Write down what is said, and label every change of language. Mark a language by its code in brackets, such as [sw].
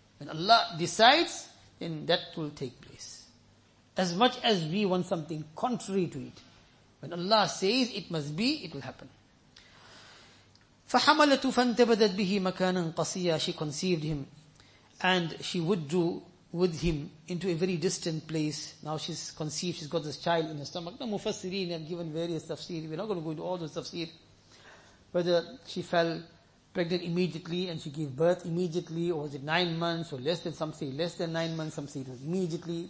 [en] When Allah decides, then that will take place. As much as we want something contrary to it. When Allah says it must be, it will happen. [ar] فَحَمَلَتُ فَانْتَبَدَتْ بِهِ مَكَانًا قَصِيًّا [en] She conceived him. And she withdrew with him into a very distant place. Now she's conceived, she's got this child in her stomach. Now Mufassirin have given various tafsir. We're not going to go into all those tafsir. Whether she fell pregnant immediately and she gave birth immediately, or was it 9 months, or less than some say, less than 9 months, some say it was immediately.